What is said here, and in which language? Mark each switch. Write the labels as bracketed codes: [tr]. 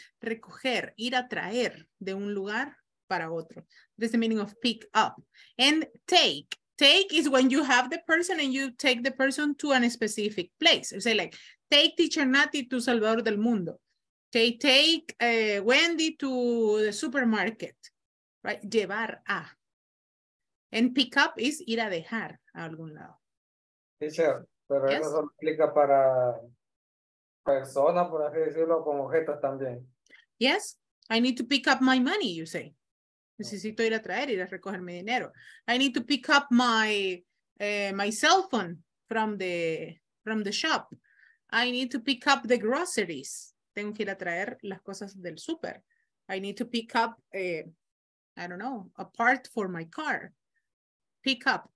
[es] Recoger, ir a traer de un lugar para otro. [en] This is the meaning of pick up. And take. Take is when you have the person and you take the person to a specific place. You say like, take teacher Nati to Salvador del Mundo. Okay, take Wendy to the supermarket, right? [es] Llevar a. [en] And pick up is [es] ir a dejar a algún lado. Teacher, pero yes? Eso aplica para personas, por así decirlo, con objetos también. [en] Yes, I need to pick up my money, you say. [es] Necesito ir a traer, ir a recoger mi dinero. [en] I need to pick up my my cell phone from the shop. I need to pick up the groceries. [es] Tengo que ir a traer las cosas del súper. [en] I need to pick up, a part for my car. Pick up.